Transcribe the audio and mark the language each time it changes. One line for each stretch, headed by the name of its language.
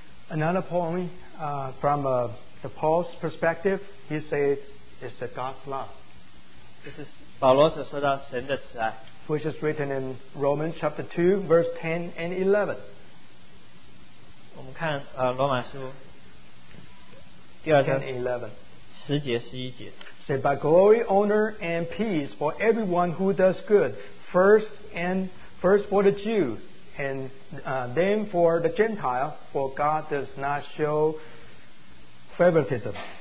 English: Another point, from the Paul's perspective, he said, is that God's love.
Chinese: 这是保罗所说到神的慈爱,
English: which is written in Romans chapter 2, verse 10 and 11.
Chinese: 我们看, 罗马书,
English: 10 and 11. Say, but glory, honor, and peace for everyone who does good, first for the Jew, and then for the Gentile, for God does not show favoritism.